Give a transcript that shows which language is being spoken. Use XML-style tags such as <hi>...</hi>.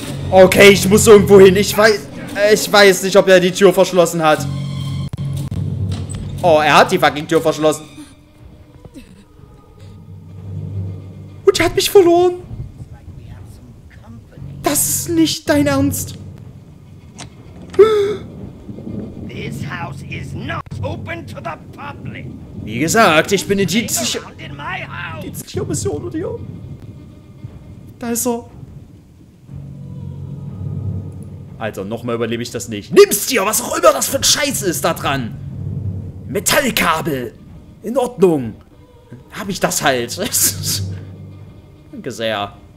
<de>Okay, ich muss irgendwo hin. Ich weiß nicht, ob er die Tür verschlossen hat. Oh, er hat die fucking Tür verschlossen. Und er hat mich verloren. Das ist nicht dein Ernst.</de> <en>This house is not open to the public.</en> <de>Wie gesagt, ich bin in die Psycho-Mission, oder? Da ist er. Alter, nochmal überlebe ich das nicht. Nimm's dir, was auch immer das für ein Scheiß ist da dran. Metallkabel. In Ordnung. Hab ich das halt. Danke sehr.</de>